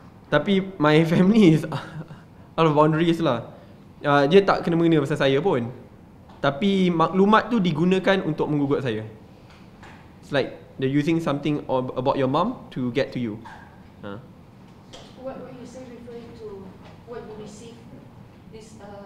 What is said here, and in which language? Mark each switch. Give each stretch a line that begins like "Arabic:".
Malay: Tapi
English: my family is out of boundaries lah.
Malay: Dia tak kena mengena pasal saya pun. Tapi maklumat tu digunakan untuk menggugat saya.
English: It's like they're using something about your mom to get to you. What were you say referring to what you receive this